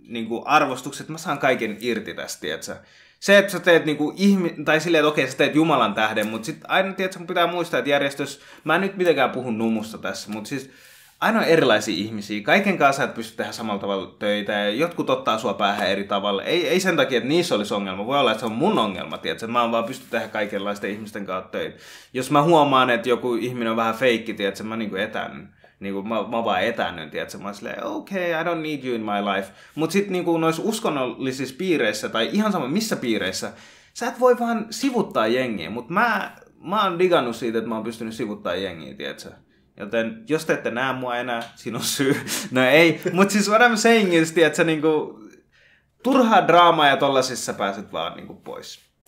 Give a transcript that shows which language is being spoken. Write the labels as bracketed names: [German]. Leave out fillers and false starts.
[Finnish] niinku arvostukset, mä saan kaiken irti tästä, tietsä. Se, että sä teet niinku tai silleen, että okei, sä teet Jumalan tähden, mutta sit aina, tietsä, mun pitää muistaa, että järjestössä, mä en nyt mitenkään puhu numusta tässä, mutta siis aina on erilaisia ihmisiä. Kaiken kanssa sä et pysty tehdä samalla tavalla töitä, ja jotkut ottaa sua päähän eri tavalla. Ei sen takia, että niissä olisi ongelma. Voi olla, että se on mun ongelma, tietsä. Mä oon vaan pysty tehdä kaikenlaisten ihmisten kanssa töitä. Jos mä huomaan, että joku ihminen on vähän feikki, tietsä, mä niinku etännyn. Niin kuin mä vaan etännyn, tiedätkö? Mä oon silleen, okei, [English] okay, I don't need you in my life. [Finnish] Mut sit niin kuin noissa uskonnollisissa piireissä, tai ihan sama missä piireissä, sä et voi vaan sivuttaa jengiä. Mut mä oon digannut siitä, että mä oon pystynyt sivuttaa jengiä, tiedätkö? Joten jos te ette näe mua enää, siinä on syy. No ei, mut siis [English] what I'm saying is, [Finnish] tiedätkö, niin kuin turhaa draamaa ja tollasissa pääset vaan niin kuin pois.